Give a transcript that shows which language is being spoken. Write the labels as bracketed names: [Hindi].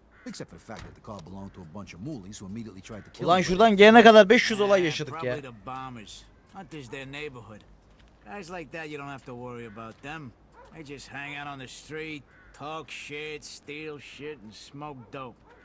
[English] Except for the fact that the car belonged to a bunch of moolies who immediately tried to kill him. [Turkish] Ulan şuradan gelene kadar 500 olay yaşadık ya. [English] Probably the bombers. Hunt is their neighborhood. Guys like that, you don't have to worry about them. They just hang out on the street, talk shit, steal shit, and smoke dope.